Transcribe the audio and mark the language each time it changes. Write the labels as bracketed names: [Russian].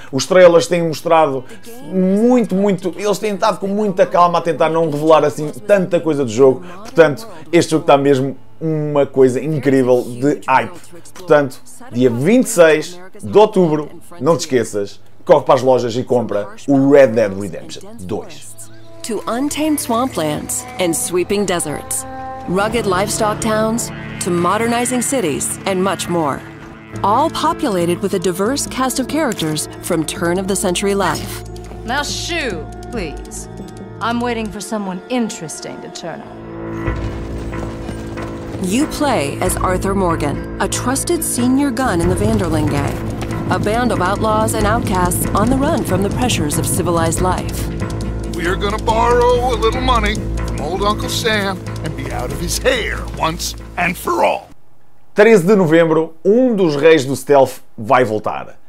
[Portuguese] Os trailers têm mostrado muito, muito... Eles têm estado com muita calma a tentar não revelar assim tanta coisa do jogo. Portanto, este jogo está mesmo uma coisa incrível de hype. Portanto, dia 26 de Outubro, não te esqueças, corre para as lojas e compra o Red Dead Redemption 2. [English] To untamed swamplands and sweeping deserts, rugged livestock towns, to modernizing cities and much more. All populated with a diverse cast of characters from turn of the century life. Now shoo, please. I'm waiting for someone interesting to turn up. You play as Arthur Morgan, a trusted senior gun in the Vanderling Gang, a band of outlaws and outcasts on the run from the pressures of civilized life. We are gonna borrow a little money from old Uncle Sam and be out of his hair once and for all. [Portuguese] 13 de novembro, um dos reis do stealth vai voltar.